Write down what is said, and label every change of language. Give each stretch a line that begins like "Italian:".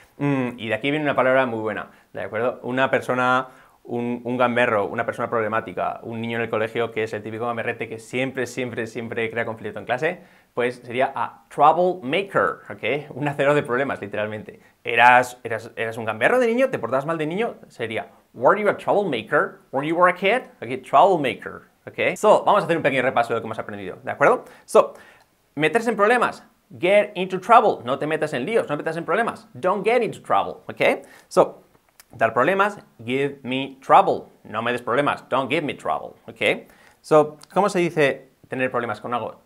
Spanish: Y de aquí viene una palabra muy buena, ¿de acuerdo? Una persona, un gamberro, una persona problemática, un niño en el colegio que es el típico gamberrete que siempre, siempre, siempre crea conflicto en clase, pues sería a troublemaker, ¿ok? Un hacedor de problemas, literalmente. ¿Eras un gamberro de niño? ¿Te portabas mal de niño?
English: Sería, were you a troublemaker when you were a kid? Ok, troublemaker, ¿ok?
Spanish: So, vamos a hacer un pequeño repaso de lo que hemos aprendido, ¿de acuerdo? So, meterse en problemas.
English: Get into trouble.
Spanish: No te metas en líos, no te metas en problemas.
English: Don't get into trouble,
Spanish: ¿ok?
English: So,
Spanish: dar problemas,
English: give me trouble.
Spanish: No me des problemas,
English: don't give me trouble,
Spanish: ¿ok? So, ¿cómo se dice tener problemas con algo?